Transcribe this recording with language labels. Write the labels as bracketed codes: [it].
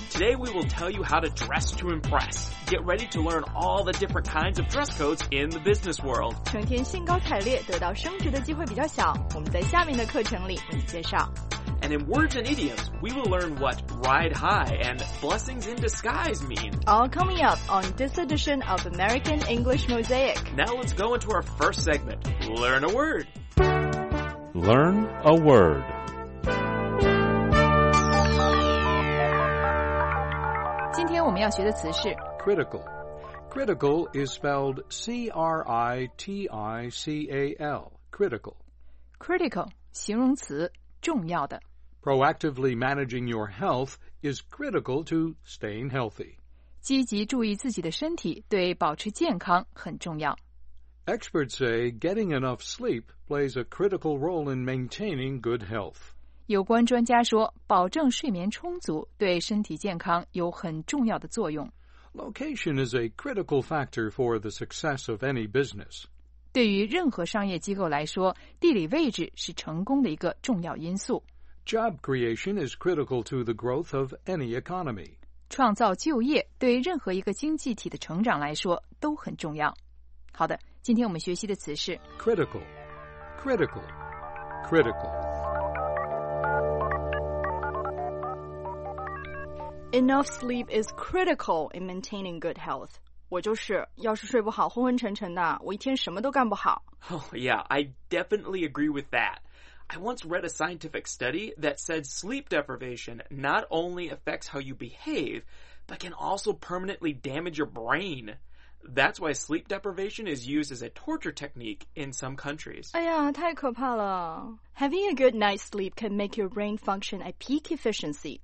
[en] Today we will tell you how to dress to impress. Get ready to learn all the different kinds of dress codes in the business world. [zh] 成天兴高采烈，得到升职的机会比较小。我们在下面的课程里为你介绍。 [en] And in words and idioms, we will learn what ride high and blessings in disguise mean. All coming up on this edition of American English Mosaic. Now let's go into our first segment. Learn a word. Learn a word. Today we're going to learn the word critical. Critical is spelled C-R-I-T-I-C-A-L. Critical. [zh] Critical, 形容词，重要的。 [en] Proactively managing your health is critical to staying healthy. [zh] 积极注意自己的身体，对保持健康很重要。 [en] Experts say getting enough sleep plays a critical role in maintaining good health. [zh] 有关专家说，保证睡眠充足对身体健康有很重要的作用。 [en] Location is a critical factor for the success of any business. [zh] 对于任何商业机构来说，地理位置是成功的一个重要因素。 [en] Job creation is critical to the growth of any economy. [zh] 创造就业对任何一个经济体的成长来说都很重要。好的，今天我们学习的词是 [en] critical, critical, critical. Enough sleep is critical in maintaining good health. [zh] 我就是，要是睡不好，昏昏沉沉的，我一天什么都干不好。 [en] Oh, yeah, I definitely agree with that. I once read a scientific study that said sleep deprivation not only affects how you behave, but can also permanently damage your brain. That's why sleep deprivation is used as a torture technique in some countries. [zh] 哎呀，太可怕了。 [en] Having a good night's sleep can make your brain function at peak efficiency.